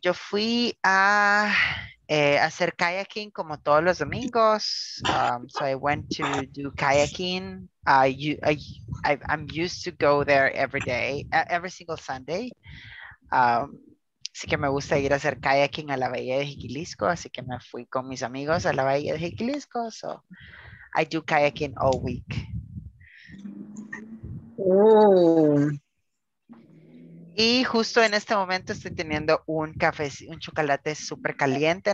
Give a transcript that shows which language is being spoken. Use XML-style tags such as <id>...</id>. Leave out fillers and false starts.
<es>Yo fui a hacer kayaking como todos los domingos.</es> <en>So I went to do kayaking. I'm used to go there every day, every single Sunday.</en> <es>Así que me gusta ir a hacer kayaking a la Bahía de Jiquilisco. Así que me fui con mis amigos a la Bahía de Jiquilisco.</es> <en>So I do kayaking all week. Oh.</en> <es>Y justo en este momento estoy teniendo un café, un chocolate súper caliente.</es>